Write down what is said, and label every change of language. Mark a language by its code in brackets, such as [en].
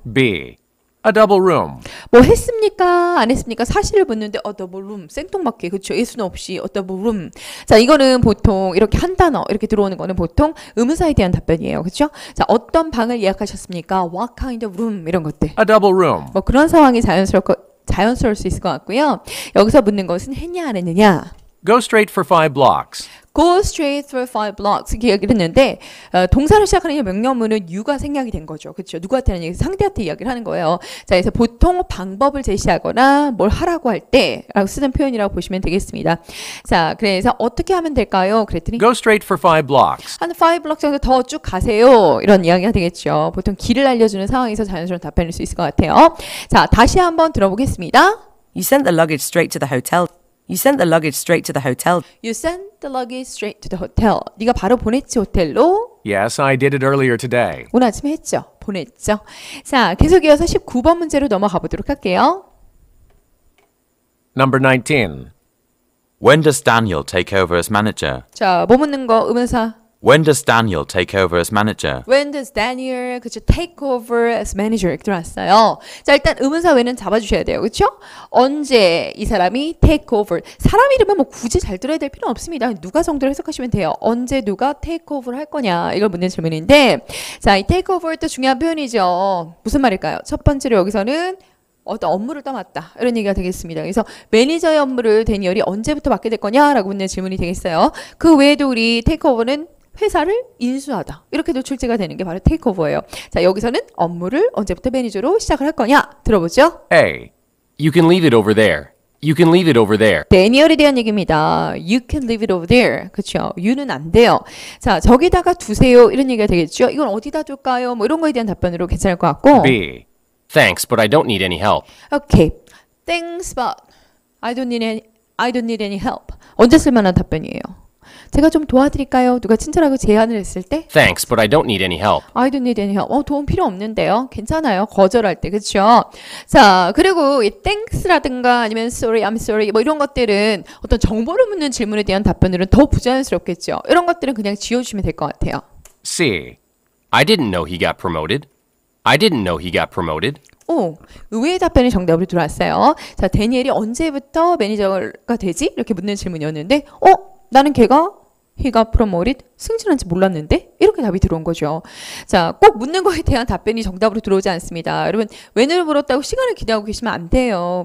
[en] B. A double room. [ko] 뭐 했습니까? 안 했습니까? 사실을 묻는데 [en] a double room. [ko] 생뚱맞게. 그렇죠. 예수는 없이 [en] a double room. [ko] 자, 이거는 보통 이렇게 한 단어 이렇게 들어오는 거는 보통 의문사에 대한 답변이에요. 그렇죠? 자, 어떤 방을 예약하셨습니까? [en] What kind of room? 이런 것들. A double room. [ko] 뭐 그런 상황이 자연스러울 수 있을 것 같고요. 여기서 묻는 것은 했냐 안 했느냐? [en] Go straight for five blocks. Go straight for five blocks. [ko] 이렇게 얘기를 했는데 동사를 시작하는 명령문은 you가 생략이 된 거죠. 그렇죠? 누구한테 하는 얘기? 상대한테 이야기를 하는 거예요. 자, 그래서 보통 방법을 제시하거나 뭘 하라고 할 때 라고 쓰는 표현이라고 보시면 되겠습니다. 자, 그래서 어떻게 하면 될까요? 그랬더니 [en] Go straight for five blocks. [ko] 한 [en] five blocks [ko] 정도 더 쭉 가세요. 이런 이야기가 되겠죠. 보통 길을 알려주는 상황에서 자연스러운 답변일 수 있을 것 같아요. 자, 다시 한번 들어보겠습니다. [en] You sent the luggage straight to the hotel. You sent the luggage straight to the hotel. You sent the luggage straight to the hotel. [ko] 네가 바로 보냈지 호텔로? [en] Yes, I did it earlier today. [ko] 오늘 아침에 했죠. 보냈죠. 자, 계속 이어서 19번 문제로 넘어가 보도록 할게요. [en] Number 19. When does Daniel take over as manager? [ko] 자, 뭐 묻는 거? 의문사. [en] When does Daniel take over as manager? When does Daniel [ko] 그쵸, [en] take over as manager? [ko] 들어왔어요. 자, 일단 의문사 when은 잡아주셔야 돼요. 그렇죠? 언제 이 사람이 take over? 사람 이름은 뭐 굳이 잘 들어야 될 필요는 없습니다. 누가 성대로 해석하시면 돼요. 언제 누가 take over 할 거냐? 이걸 묻는 질문인데 자, 이 take over 또 중요한 표현이죠. 무슨 말일까요? 첫 번째로 여기서는 어떤 업무를 떠맡다 이런 얘기가 되겠습니다. 그래서 매니저의 업무를 대니얼이 언제부터 맡게 될 거냐? 라고 묻는 질문이 되겠어요. 그 외에도 우리 take over는 회사를 인수하다. 이렇게도 출제가 되는 게 바로 테이크오버예요. 자, 여기서는 업무를 언제부터 매니저로 시작을 할 거냐? 들어보죠. [en] Hey, you can leave it over there. You can leave it over there. [ko] 대니얼에 대한 얘기입니다. [en] You can leave it over there. [ko] 그렇죠. You는 안 돼요. 자, 저기다가 두세요. 이런 얘기가 되겠죠. 이건 어디다 둘까요? 뭐 이런 거에 대한 답변으로 괜찮을 것 같고. [en] B. Thanks, but I don't need any help. Okay. Thanks, but I don't need any help. [ko] 언제 쓸만한 답변이에요? 제가 좀 도와드릴까요? 누가 친절하게 제안을 했을 때? [en] Thanks, but I don't need any help. I don't need any help. [ko] 도움 필요 없는데요. 괜찮아요. 거절할 때. 그렇죠? 자, 그리고 이 thanks라든가 아니면 sorry, [en] I'm sorry [ko] 뭐 이런 것들은 어떤 정보를 묻는 질문에 대한 답변으로는 더 부자연스럽겠죠. 이런 것들은 그냥 지워주시면 될 것 같아요. [en] C. I didn't know he got promoted. I didn't know he got promoted. [ko] 오, 의외의 답변이 정답으로 들어왔어요. 자, 대니엘이 언제부터 매니저가 되지? 이렇게 묻는 질문이었는데 어? 나는 걔가 [en] he got promoted [ko] 승진한지 몰랐는데 이렇게 답이 들어온 거죠. 자, 꼭 묻는 거에 대한 답변이 정답으로 들어오지 않습니다. 여러분, 왜냐를 물었다고 시간을 기대하고 계시면 안 돼요.